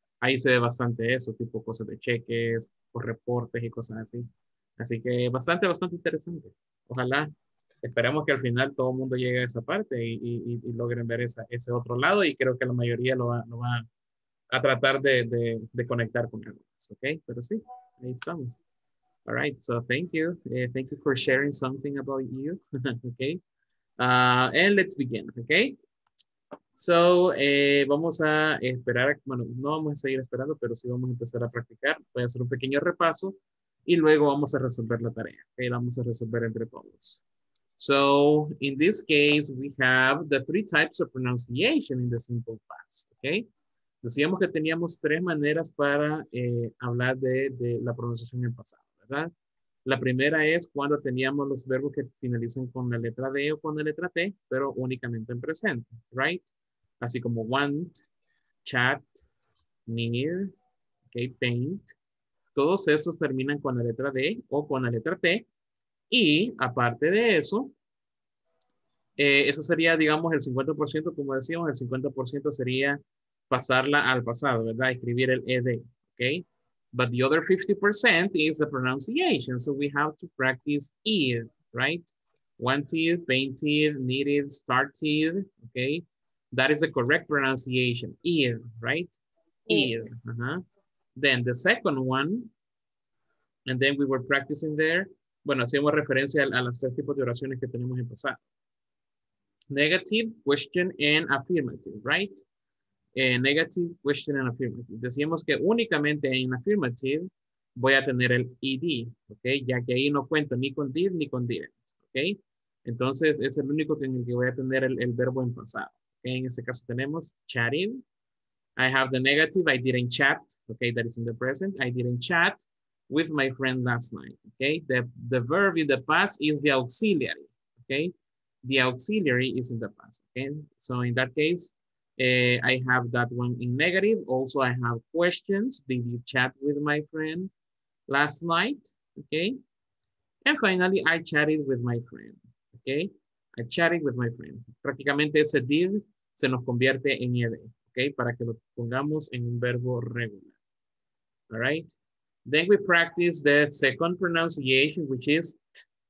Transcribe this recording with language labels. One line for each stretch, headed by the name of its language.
Spanish: Ahí se ve bastante eso, tipo cosas de cheques o reportes y cosas así. Así que bastante, bastante interesante. Ojalá, esperemos que al final todo el mundo llegue a esa parte y logren ver ese otro lado, y creo que la mayoría lo va a tratar de conectar con ellos, ¿ok? Pero sí, ahí estamos.
English: All right, so thank you. Thank you for sharing something about you, okay? And let's begin, okay?
Spanish: So, vamos a esperar, bueno, no vamos a seguir esperando, pero sí vamos a empezar a practicar. Voy a hacer un pequeño repaso y luego vamos a resolver la tarea, okay? La vamos a resolver entre todos.
English: So, in this case, we have the three types of pronunciation in the simple past, okay?
Spanish: Decíamos que teníamos tres maneras para hablar de la pronunciación en pasado, ¿verdad? La primera es cuando teníamos los verbos que finalizan con la letra D o con la letra T, pero únicamente en presente, right? Así como want, chat, near, okay, paint, todos esos terminan con la letra D o con la letra T, y aparte de eso, eso sería, digamos, el 50%, como decíamos, el 50% sería pasarla al pasado, ¿verdad? Escribir el ED,
English: ¿ok? But the other 50% is the pronunciation. So we have to practice ir, right? Wanted, painted, needed, started, okay? That is the correct pronunciation, ir, right? Ir. Uh-huh. Then the second one, and then we were practicing there.
Spanish: Bueno, hacemos referencia a los tres tipos de oraciones que tenemos en pasado.
English: Negative, question, and affirmative, right? Negative, question, and affirmative.
Spanish: Decíamos que únicamente en affirmative voy a tener el ed, ¿ok? Ya que ahí no cuento ni con did ni con didn't, ¿ok? Entonces es el único en el que voy a tener el verbo en pasado. ¿Okay? En este caso tenemos chatting.
English: I have the negative, I didn't chat, ¿ok? That is in the present. I didn't chat with my friend last night, ¿ok? The verb in the past is the auxiliary, ¿ok? The auxiliary is in the past, ¿ok? So in that case, I have that one in negative. Also, I have questions. Did you chat with my friend last night? Okay. And finally, I chatted with my friend. Okay. I chatted with my friend.
Spanish: Prácticamente ese did se nos convierte en ed. Okay. Para que lo pongamos en un verbo regular.
English: All right. Then we practice the second pronunciation, which is t.